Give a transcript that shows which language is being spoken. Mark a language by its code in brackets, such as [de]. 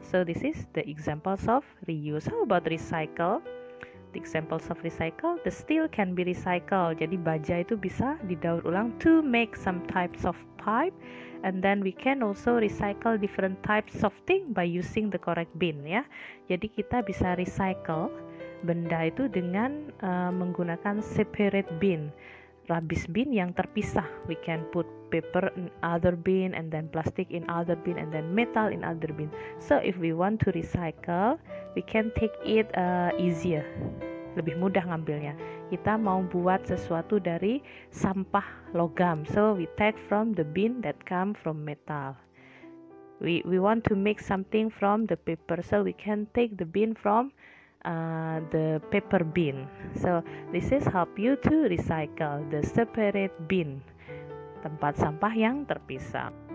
[en] So this is the examples of reuse. How about recycle? The examples of recycle. The steel can be recycled. [id] Jadi baja itu bisa didaur ulang [en] to make some types of pipe. And then we can also recycle different types of thing by using the correct bin, ya. [id] Jadi kita bisa recycle benda itu dengan menggunakan [en] separate bin, rubbish bin [id] yang terpisah. [en] We can put paper in other bin, and then plastic in other bin, and then metal in other bin. So if we want to recycle, we can take it easier. [id] Lebih mudah ngambilnya. Kita mau buat sesuatu dari sampah logam. [en] So we take from the bin that come from metal. We want to make something from the paper. So we can take the bin from the paper bin. So this is help you to recycle the separate bin. [id] Tempat sampah yang terpisah.